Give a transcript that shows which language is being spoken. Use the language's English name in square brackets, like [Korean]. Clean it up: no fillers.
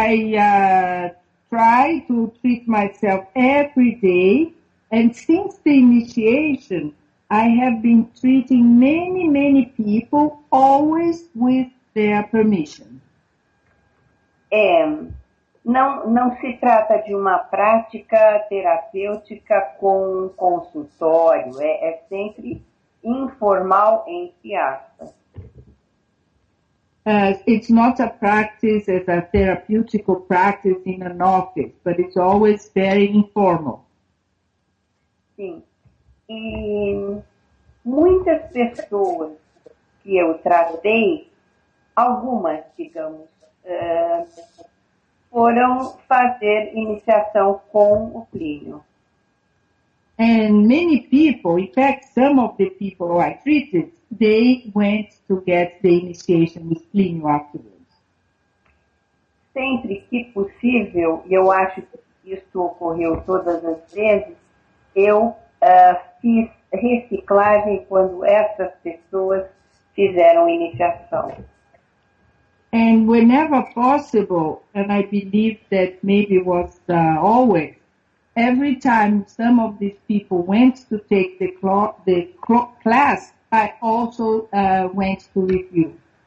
[English] So I try to treat myself every day, and since the initiation, I have been treating many, many people always with their permission. [Portuguese] Não se trata de uma prática terapêutica com um consultório, é sempre informal, entre aspas. [English] It's not a practice as a therapeutical practice in an office, but it's always very informal. [Portuguese] Sim. E muitas pessoas que eu tratei, algumas, digamos, foram fazer iniciação com o Plínio. [English] And many people, in fact, some of the people who I treated, they went to get the initiation with Plínio afterwards. [Portuguese] Sempre que possível, e eu acho que isso ocorreu todas as vezes, eu fiz reciclagem quando essas pessoas fizeram iniciação. [English] And whenever possible, and I believe that maybe it was always, every time some of these people went to take the class, I also went to review.